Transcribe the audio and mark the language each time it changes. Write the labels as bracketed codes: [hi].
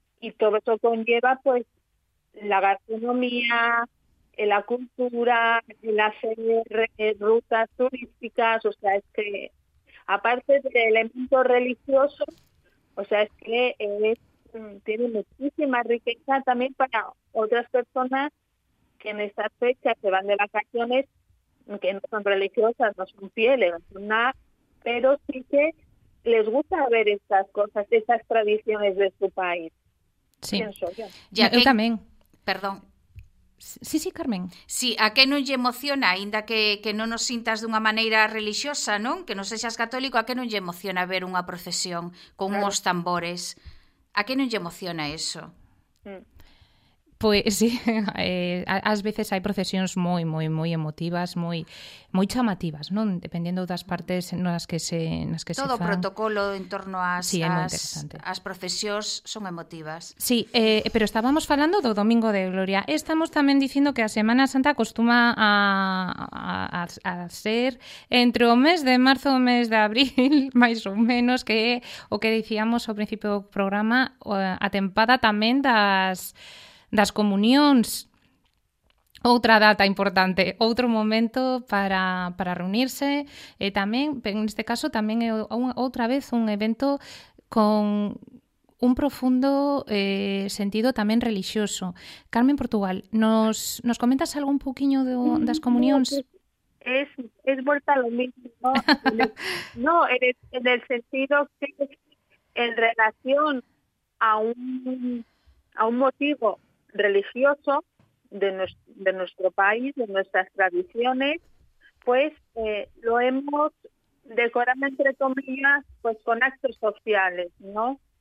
[es] Y todo eso conlleva, pues, la gastronomía, la cultura, el hacer rutas turísticas, o sea, es que, aparte del elemento religioso, o sea, es que es, tiene muchísima riqueza también para otras personas que en estas fechas se van de vacaciones, que no son religiosas, no son fieles, no son nada, pero sí que les gusta ver estas cosas, esas tradiciones de su país. Sí, ya que, yo también. Perdón. Sí, sí, Carmen. [gl] Sí, a que non lle emociona, aínda que non nos sintas dunha maneira relixiosa, non? Que non sexas católico, a que non lle emociona ver unha procesión con claro. uns tambores? A que non lle emociona eso? Pois sí, ás veces hai procesións moi, moi, moi emotivas, moi, moi chamativas, non? Dependendo das partes nas que se nas que todo se o fan. Protocolo en torno ás sí, as procesións son emotivas. Sí, pero estábamos falando do Domingo de Gloria. Estamos tamén dicindo que a Semana Santa acostuma a ser entre o mes de marzo e o mes de abril, máis ou menos, que o que dicíamos ao principio do programa, a tempada tamén das comunións, outra data importante, outro momento para reunirse, e tamén, en este caso, tamén é outra vez un evento con un profundo sentido tamén relixioso. Carmen Portugal, nos comentas algo un poquinho das comunións? [es] Es volta lo mismo, ¿no? en el sentido que en relación a un motivo religioso de nuestro país, de nuestras tradiciones, pues lo hemos decorado, entre comillas, pues con actos sociales, ¿no?